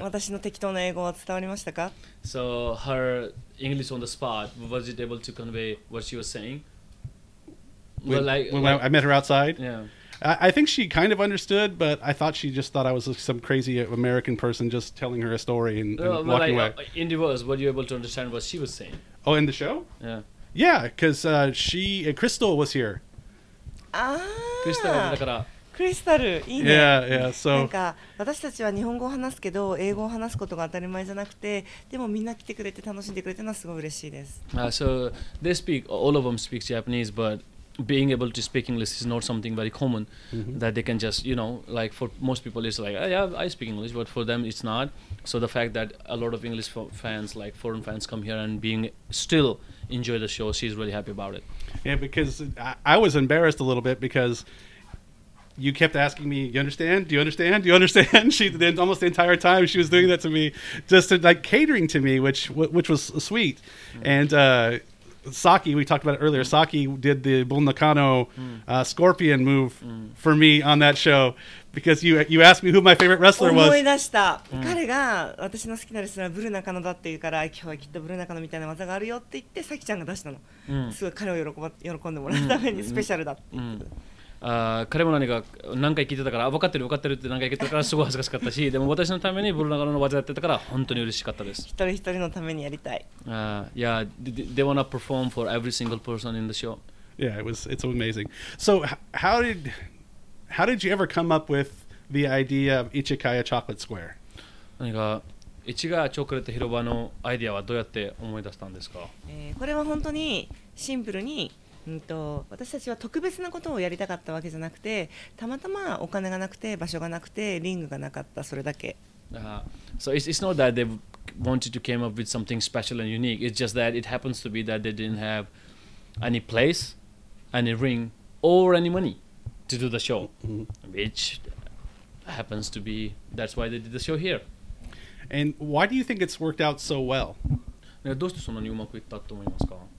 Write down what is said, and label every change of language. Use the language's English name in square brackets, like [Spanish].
[Japanese] 私の適当な英語は伝わりましたか? [English] So her English on the spot, was it able to convey what she was saying? When I met her outside? Yeah. I think she kind of understood, but I thought she just thought I was some crazy American person just telling her a story and walking away. In the words, were you able to understand what she was saying? Oh, in the show? Yeah. Yeah, because Crystal was here. Ah, Crystal. Yeah, so. [Japanese] Like, 私たちは日本語を話すけど、英語を話すことが当たり前じゃなくて、でもみんな来てくれて楽しんでくれてのはすごい嬉しいです。 [English] So they speak, all of them speak Japanese, but being able to speak English is not something very common that they can just, you know, like for most people it's like, oh, yeah, I speak English, but for them it's not. So the fact that a lot of English fans, like foreign fans, come here and being still enjoy the show, she's really happy about it. Yeah, because I was embarrassed a little bit because you kept asking me, you understand? Do you understand? Do you understand? almost the entire time she was doing that to me, just to, like catering to me, which was sweet. Mm-hmm. And Saki, we talked about it earlier, Saki did the Bull Nakano scorpion move for me on that show. Because you asked me who my favorite wrestler was. [Japanese] 思い出した。彼が私の好きなレスラーはブルナカノだって言うから、今日はきっとブルナカノみたいな技があるよって言って、サキちゃんが出したの。すごい彼を喜んでもらうためにスペシャルだって言ってた。彼も何回聞いてたから、分かってる分かってるって何回言ってたからすごい恥ずかしかったし、でも私のためにブルナカノの技やってたから本当に嬉しかったです。一人一人のためにやりたい。 [English] They wanna perform for every single person in the show. Yeah, it's amazing. So how did you ever come up with the idea of Ichikaya Chocolate Square? [Japanese] Ichikaya Chocolate 広場のアイディアはどうやって思い出したんですか？これは本当にシンプルに、私たちは特別なことをやりたかったわけじゃなくて、たまたまお金がなくて、場所がなくて、リングがなかった、それだけ。 [English] So it's not that they wanted to came up with something special and unique. It's just that it happens to be that they didn't have any place, any ring, or any money. To do the show, which happens to be, that's why they did the show here. And why do you think it's worked out so well? [Japanese] どうしてそんなにうまくいったと思いますか？